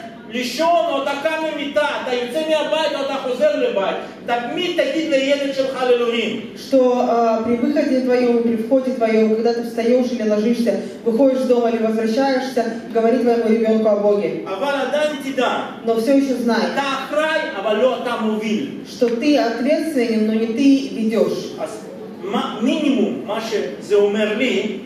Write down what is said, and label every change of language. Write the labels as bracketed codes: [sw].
[he] לישון או אתה קם ממיטה, אתה יוצא מהבית או אתה חוזר לבית, תמיד תגיד לילד שלך לאלוהים. [ru] Что при выходе твоем, при входе твоем, когда ты встаешь или ложишься, выходишь из дома или возвращаешься, говори твоему ребенку о Боге. [he] אבל עדיין תדע. [ru] Но все еще знай. [he] אתה אחראי, אבל לא אתה מוביל. [ru] Что ты ответственен, но не ты ведешь. [he] אז מינימום, מה שזה אומר לי.